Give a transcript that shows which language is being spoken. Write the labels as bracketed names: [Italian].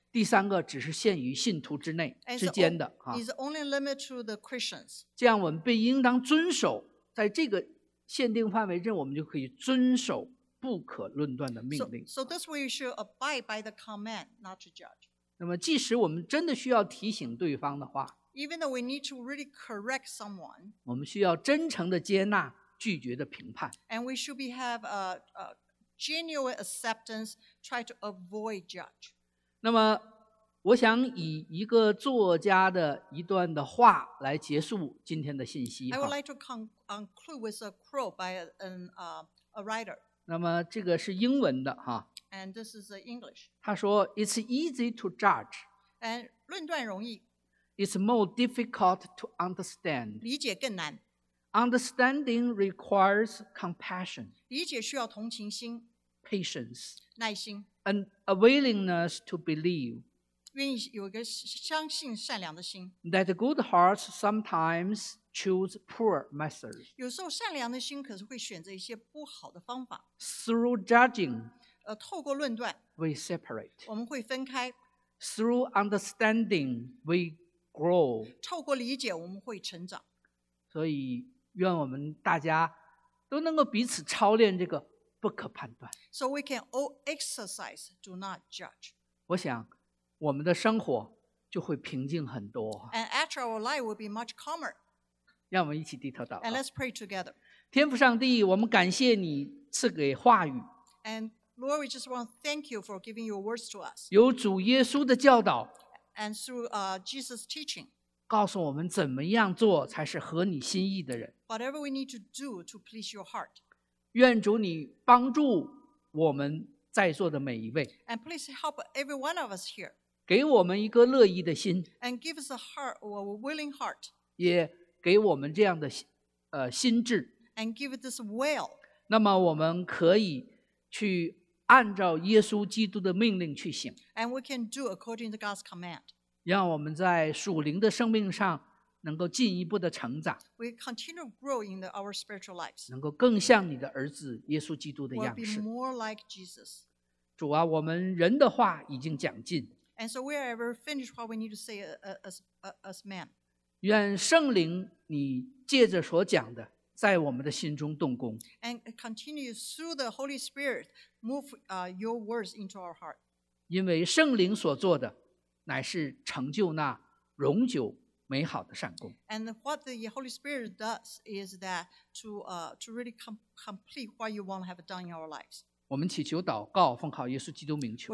[Chinese] 第三个只是限于信徒之内之间的。 [English] It's only limited to the Christians. [Chinese] 这样我们被应当遵守在这个限定范围内，我们就可以遵守不可论断的命令。 [English] So this way you should abide by the command, not to judge. [Chinese] 那么即使我们真的需要提醒对方的话， [English] Even though we need to really correct someone, [Chinese] 我们需要真诚的接纳拒绝的评判。 [English] And we should have a genuine acceptance, try to avoid judge. [Chinese] 那么我想以一个作家的一段的话来结束今天的信息。 [English] I would like to conclude with a quote by a writer. [Chinese] 那么这个是英文的哈。 [English] And this is English. [Chinese] 他说 [English] ,It's easy to judge. [Chinese] And 论断容易。 [English] It's more difficult to understand. [Chinese] 理解更难。 [English] Understanding requires compassion. [Chinese] 理解需要同情心。 [English] Patience. [Chinese] 耐心。 [English] And a willingness to believe. [Chinese] 愿意有一个相信善良的心。 [English] That good hearts sometimes choose poor methods. [Chinese] 有时候善良的心可是会选择一些不好的方法。 [English] Through judging, [Chinese] 透过论断 [English] we separate. [Chinese] 我们会分开。 [English] Through understanding, we grow. [Chinese] 透过理解我们会成长。所以愿我们大家都能够彼此操练这个不可判断。 [English] So we can all exercise, do not judge. [Chinese] 我想我们的生活就会平静很多。 [English] And actually our life will be much calmer. [Chinese] 让我们一起低头祷告。 [English] And let's pray together. [Chinese] 天父上帝，我们感谢你赐给话语。 [English] And Lord, we just want to thank you for giving your words to us. [Chinese] 由主耶稣的教导。 [English] And through Jesus' teaching. [Chinese] 告诉我们怎么样做才是合你心意的人。 [English] Whatever we need to do to please your heart. [Chinese] 愿主你帮助我们在座的每一位。 [English] And please help every one of us here. [Chinese] 给我们一个乐意的心。 [English] And give us a heart, a willing heart. [Chinese] 也给我们这样的心智。 [English] And give it this will. [Chinese] 那么我们可以去按照耶稣基督的命令去行。 [English] And we can do according to God's command. [Chinese] 让我们在属灵的生命上能够进一步的成长。 [English] We continue to grow in our spiritual lives. [Chinese] 能够更像你的儿子耶稣基督的样式。 [English] We'll be more like Jesus. [Chinese] 主啊，我们人的话已经讲尽。 [English] And so we have finished what we need to say as man. [Chinese] 愿圣灵你借着所讲的，在我们的心中动工。 [English] And continue through the Holy Spirit move your words into our heart. [Chinese] 因为圣灵所做的，乃是成就那永久美好的善工。 [English] And what the Holy Spirit does is that to really complete what you want to have done in our lives. [Chinese] 我们祈求祷告，奉靠耶稣基督名求。